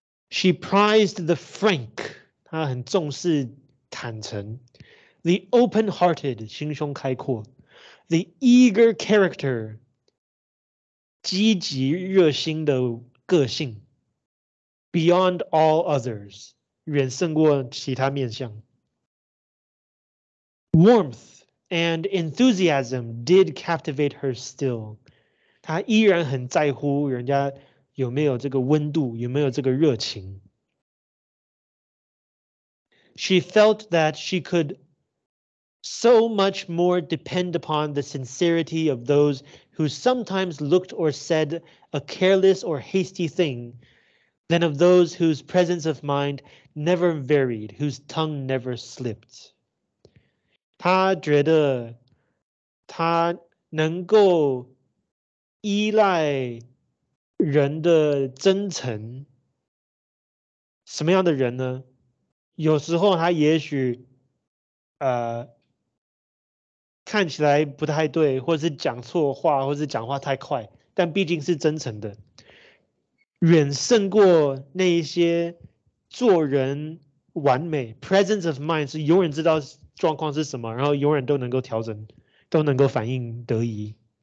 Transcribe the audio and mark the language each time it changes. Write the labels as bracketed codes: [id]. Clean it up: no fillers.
[en] She prized the frank， [zh] 她很重视坦诚 [en] ；the open-hearted， [zh] 心胸开阔 [en] ；the eager character， [zh] 积极热心的个性 [en] ；beyond all others， [zh] 远胜过其他面相 [en] ；warmth and enthusiasm did captivate her still， [zh] 她依然很在乎人家。有没有这个温度，有没有这个热情。 [en] She felt that she could so much more depend upon the sincerity of those who sometimes looked or said a careless or hasty thing, than of those whose presence of mind never varied, whose tongue never slipped. [zh] 他觉得他能够依赖人的真诚。什么样的人呢？有时候他也许看起来不太对，或是讲错话，或是讲话太快，但毕竟是真诚的，远胜过那一些做人完美 presence of mind， 是永远知道状况是什么，然后永远都能够调整，都能够反应得宜。